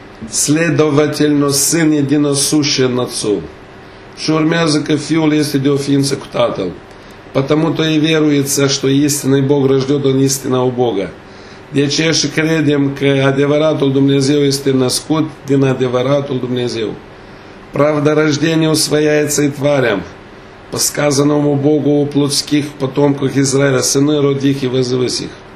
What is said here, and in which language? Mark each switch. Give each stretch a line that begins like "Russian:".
Russian: Следовательно, Сын единосущ Отцу.
Romanian: Și urmează că Fiul este de o ființă cu Tatăl.
Russian: Потому-то и веруется, что истинный Бог рождет он истинного Бога.
Romanian: De aceea și credem că adevăratul Dumnezeu este născut din adevăratul Dumnezeu.
Russian: Правда рождения усвояется и тварям. По сказанному Богу у плотских потомков Израиля, сыны родих и возвысь их.